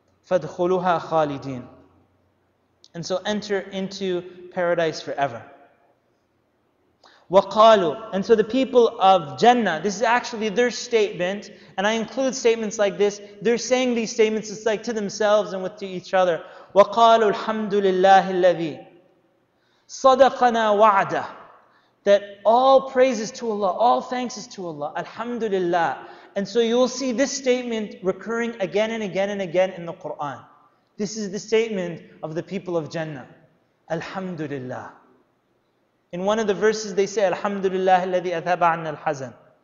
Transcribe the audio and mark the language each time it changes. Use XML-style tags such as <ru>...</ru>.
<ar>فَادْخُلُهَا خَالِدِينَ.</ar> <en>And so enter into paradise forever. وقالوا, and so the people of Jannah, this is actually their statement, and I include statements like this, they're saying these statements, it's like to themselves and with to each other.</en> <ar>وقالوا الحمد لله الذي صدقنا وعده,</ar> <en>that all praises to Allah, all thanks is to Allah, alhamdulillah. And so you'll see this statement recurring again and again and again in the Quran. This is the statement of the people of Jannah. Alhamdulillah. In one of the verses they say,</en> <ar>Alhamdulillah alladhi athaba 'anna al-hazan.</ar>